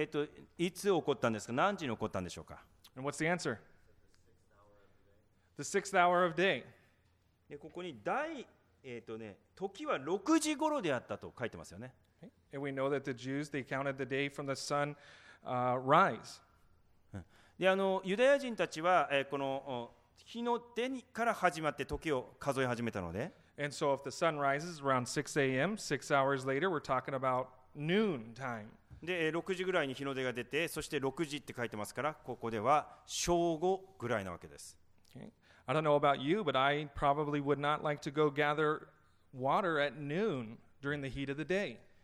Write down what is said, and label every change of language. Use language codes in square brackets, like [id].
[ja] それ、いつ起こったんですか、何時に起こったんでしょうか。 [en] And what's the answer? The sixth hour of day. [ja] でここに第、時は6時頃であったと書いてますよね。 [en] Okay. And we know that the Jews, they counted the day from the sun, rise. [ja] で、あの、ユダヤ人たちは、この、日の出から始まって時を数え始めたので。 [en] And so if the sun rises around 6 a.m., 6 hours later, we're talking about noon time. [ja] で6時ぐらいに日の出が出て、そして6時って書いてますから、ここでは正午ぐらいなわけです。 [en] I don't know about you, but I probably would not like to go gather water at noon during the heat of the day.